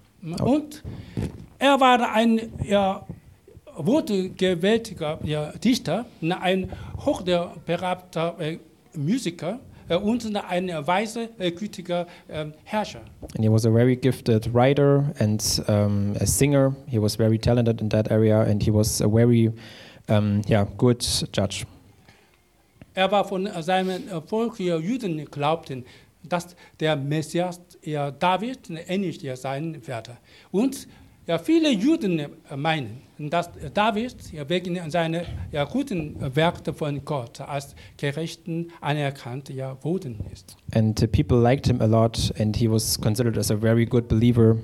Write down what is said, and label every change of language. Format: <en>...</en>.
<de>Und er war ein wortgewaltiger Dichter, ein hochbegabter Musiker und ein weiser, gütiger Herrscher.</de> <en>And he was a very gifted writer and a singer. He was very talented in that area and he was a very good judge.</en> <de>Er war von seinem Volk, Juden, glaubten, dass der Messias, David, ähnlich sein werde. Und viele Juden meinen, dass David wegen seiner guten Werke von Gott als Gerechten anerkannt worden ist.</de> <en>And the people liked him a lot and he was considered as a very good believer.</en>